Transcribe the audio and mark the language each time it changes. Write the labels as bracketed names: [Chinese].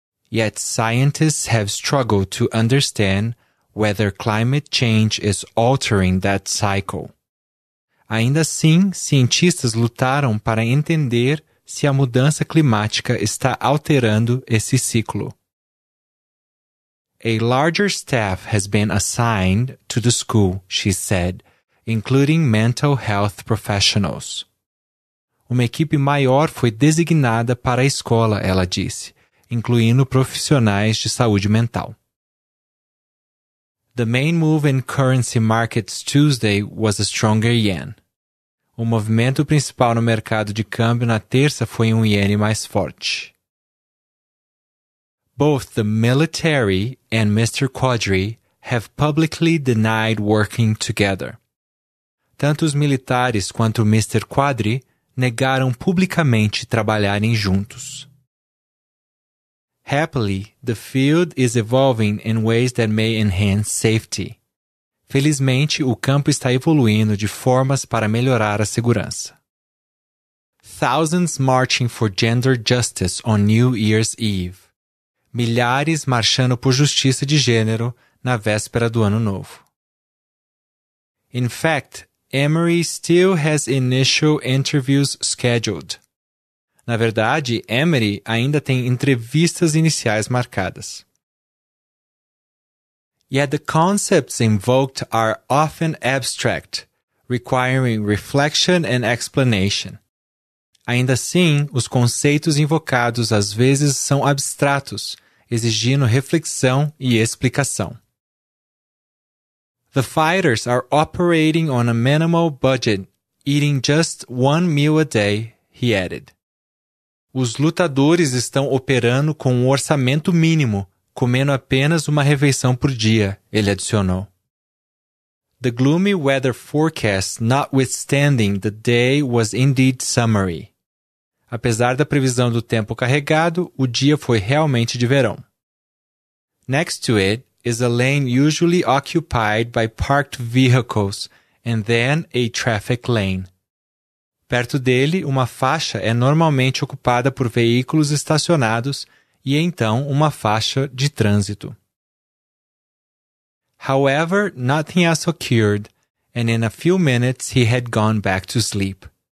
[English] Yet scientists have struggled to understand whether climate change is altering that cycle. [Portuguese] Ainda assim, cientistas lutaram para entender se a mudança climática está alterando esse ciclo. [English] A larger staff has been assigned to the school, she said, including mental health professionals. [Portuguese] Uma equipe maior foi designada para a escola, ela disse, incluindo profissionais de saúde mental. [English] The main move in currency markets Tuesday was a stronger yen. [Portuguese] O movimento principal no mercado de câmbio na terça foi um iene mais forte. [English] Both the military and Mr. Quadri have publicly denied working together. [Portuguese] Tanto os militares quanto o Mr. Quadri negaram publicamente trabalharem juntos. [English] Happily, the field is evolving in ways that may enhance safety. [Portuguese] Felizmente, o campo está evoluindo de formas para melhorar a segurança. [English] Thousands marching for gender justice on New Year's Eve. [Portuguese] Milhares marchando por justiça de gênero na véspera do Ano Novo. [English] In fact, Emory still has initial interviews scheduled. [Portuguese] Na verdade, Emory ainda tem entrevistas iniciais marcadas. [English] Yet the concepts invoked are often abstract, requiring reflection and explanation. [Portuguese] Ainda assim, os conceitos invocados às vezes são abstratos, exigindo reflexão e explicação. [English] The fighters are operating on a minimal budget, eating just one meal a day, he added. [Portuguese] Os lutadores estão operando com um orçamento mínimo, comendo apenas uma refeição por dia, ele adicionou. [English] The gloomy weather forecast, notwithstanding, the day was indeed summery. [Portuguese] Apesar da previsão do tempo carregado, o dia foi realmente de verão. [English] Next to it is a lane usually occupied by parked vehicles and then a traffic lane. [Portuguese] Perto dele, uma faixa é normalmente ocupada por veículos estacionados e então uma faixa de trânsito. [English] However, nothing else occurred, and in a few minutes he had gone back to sleep.